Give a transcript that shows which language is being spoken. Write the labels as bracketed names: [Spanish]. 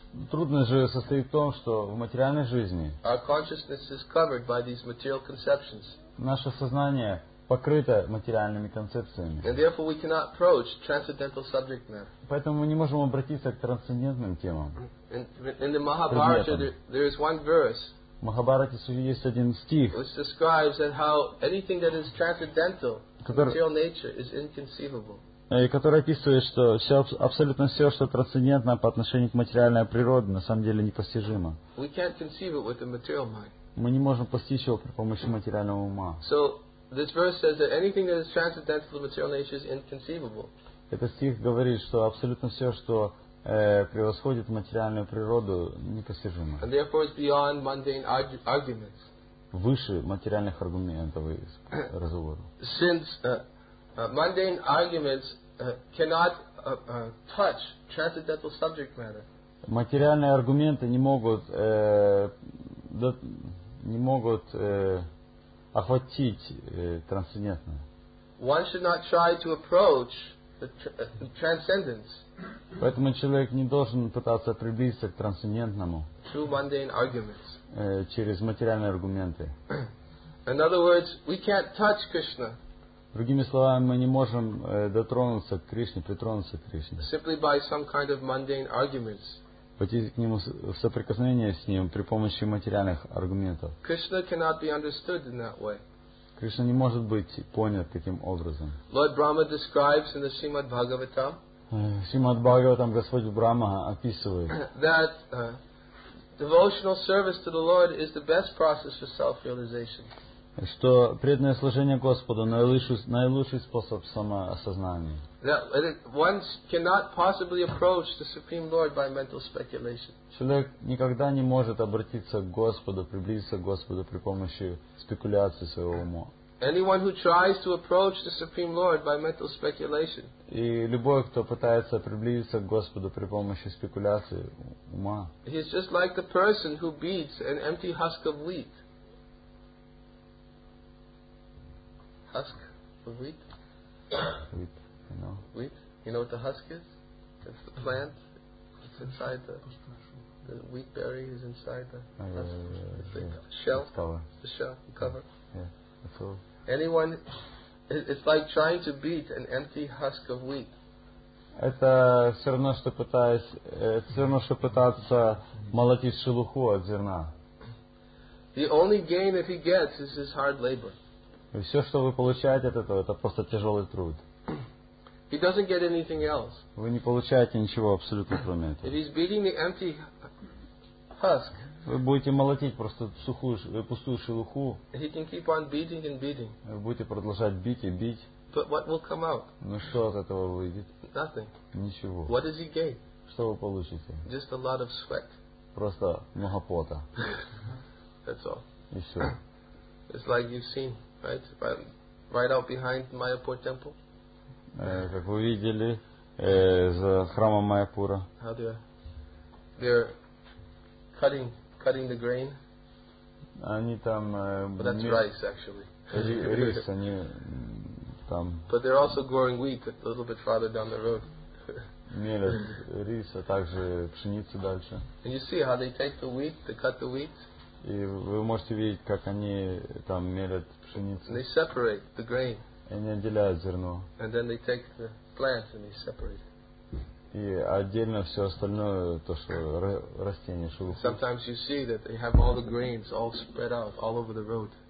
[Russian] Трудность же состоит в том, что в материальной жизни. [English] Our consciousness is covered by these material conceptions. [Russian] Наше сознание покрыто материальными концепциями. [English] And therefore we cannot approach transcendental subject matter. [Russian] Поэтому мы не можем обратиться к трансцендентным темам. [English] In the Mahabharata, there is one verse. [Russian] В Махабхарате есть один стих, [English] which describes that how anything that is transcendental, material nature, is inconceivable. [Russian] Который описывает, что все, абсолютно все, что трансцендентно по отношению к материальной природе, на самом деле непостижимо. [English] We can't conceive it with the material mind. [Russian] Мы не можем постичь его при помощи материального ума. [English] So, this verse says that anything that is transcendental to material nature is inconceivable. [Russian] Этот стих говорит, что абсолютно все, что превосходит материальную природу, непостижимо. [English] And therefore it's beyond mundane arguments. [Russian] Выше материальных аргументов и разговоров. [English] Since mundane arguments cannot touch transcendental subject matter. [Russian] Материальные аргументы не могут охватить трансцендентное. [English] One should not try to approach the transcendence. [Russian] Поэтому человек не должен пытаться приблизиться к трансцендентному. [English] Through mundane arguments. [Russian] Через материальные аргументы. [English] In other words, we can't touch Krishna. [Russian] Другими словами, мы не можем дотронуться к Кришне, притронуться к Кришне. [English] Simply by some kind of mundane arguments. [Russian] Пойти к нему в соприкосновение с ним при помощи материальных аргументов. [English] Krishna cannot be understood in that way. [Russian] Кришна не может быть понят таким образом. [English] Lord Brahma describes in the Srimad Bhagavatam. [Russian] Srimad Bhagavatam Господь Брахма описывает. [English] That devotional service to the Lord is the best process for self-realization. [Russian] Что преданное служение Господу наилучший способ самоосознания. [English] That one cannot possibly approach the Supreme Lord by mental speculation. [Russian] Человек никогда не может обратиться к Господу, приблизиться к Господу при помощи спекуляции своего ума. [English] Anyone who tries to approach the Supreme Lord by mental speculation. [Russian] И любой, кто пытается приблизиться к Господу при помощи спекуляции ума. [English] He is just like the person who beats an empty husk of wheat. Husk of wheat? Wheat, you know. Wheat? You know what the husk is? It's the plant. It's inside the wheat berry is inside the husk. Yeah, yeah, yeah. The shell. The shell, the cover. Yeah, that's all. Anyone It's like trying to beat an empty husk of wheat. [Russian] Это все равно, что пытаясь, все равно, что пытаться молотить шелуху от зерна. [English] The only gain that he gets is his hard labor. [Russian] Все, что вы получаете от этого, это просто тяжелый труд. [English] He doesn't get anything else. [Russian] Вы не получаете ничего абсолютно кроме этого. [English] If he's beating the empty husk. [Russian] Вы будете молотить просто сухую, пустую шелуху. [English] He can keep on beating and beating. [Russian] Вы будете продолжать бить и бить. [English] But what will come out? [Russian] Ну что от этого выйдет? [English] Nothing. [Russian] Ничего. [English] What does he gain? [Russian] Что вы получите? [English] Just a lot of sweat. [Russian] Просто много пота. [English] That's all. [Russian] И все. [English] It's like you've seen, right? Right out behind Mayapur temple. [Russian] Как вы видели, за храмом Майяпура. [English] How they're cutting the grain. [Russian] Они там. [English] That's rice, actually. [Russian] Рис, они там. [English] But they're also growing wheat a little bit farther down the road. [Russian] Мелят рис, а также пшеницу дальше. [English] And you see how they take the wheat, they cut the wheat. [Russian] И вы можете видеть, как они там мелят пшеницу. [English] And they separate the grain. [Russian] Они отделяют зерно. [English] And then they take the plant and they separate. [Russian] И отдельно все остальное, то, что растение, шелуху. [English] Sometimes you see that they have all the grains all spread out all over the road.